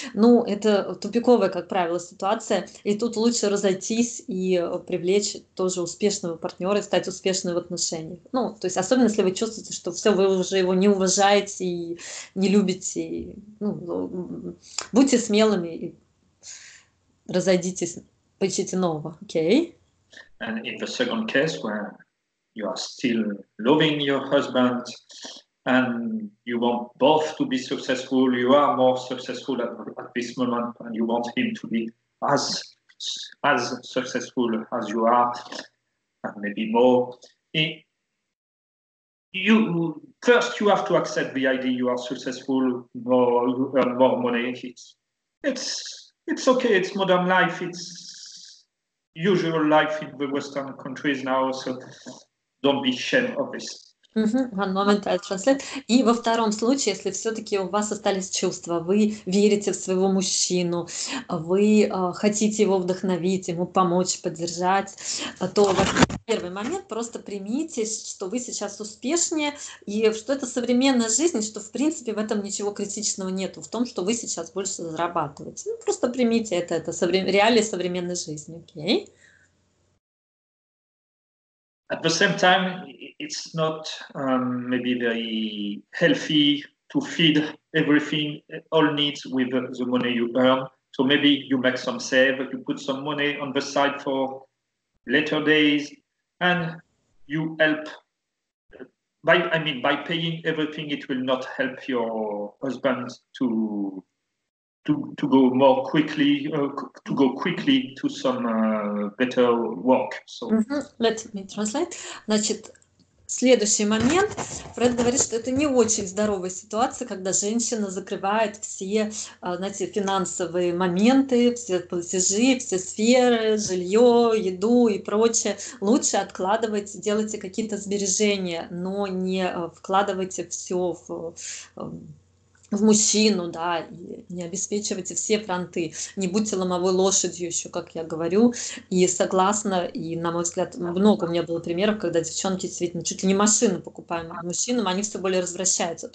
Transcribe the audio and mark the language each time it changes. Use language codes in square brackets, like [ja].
[ru] Ну, это тупиковая, как правило, ситуация. И тут лучше разойтись и привлечь тоже успешного партнера и стать успешным в отношениях. Ну, то есть, особенно если вы чувствуете, что все, вы уже его не уважаете и не любите. Будьте, ну, будьте смелыми и разойдитесь, поищите нового, окей? [en] Okay? And in the second case, where you are still loving your husband and you want both to be successful, you are more successful at this moment and you want him to be as successful as you are and maybe more. You have to accept the idea you are successful, more money. It's okay. It's modern life. It's usual life in the Western countries now. So don't be ashamed of this. One moment, I'll translate. [ru] И во втором случае, если все-таки у вас остались чувства, вы верите в своего мужчину, вы хотите его вдохновить, ему помочь, поддержать, то в первый момент просто примите, что вы сейчас успешнее, и что это современная жизнь, что в принципе в этом ничего критичного нету, в том, что вы сейчас больше зарабатываете. Ну, просто примите это реалии современной жизни, окей? [en] At the same time, it's not maybe very healthy to feed everything, all needs with the money you earn. So maybe you make some save, you put some money on the side for later days, and you help. By paying everything, it will not help your husband to go more quickly, to go quickly to some better work. So Let me translate. [ru] Значит, следующий момент. Фред говорит, что это не очень здоровая ситуация, когда женщина закрывает все, знаете, финансовые моменты, все платежи, все сферы, жилье, еду и прочее. Лучше откладывайте, делайте какие-то сбережения, но не вкладывайте все в мужчину, да, и не обеспечивайте все фронты, не будьте ломовой лошадью еще, как я говорю, и согласна, и, на мой взгляд, много у меня было примеров, когда девчонки действительно чуть ли не машину покупаем мужчинам, они все более развращаются.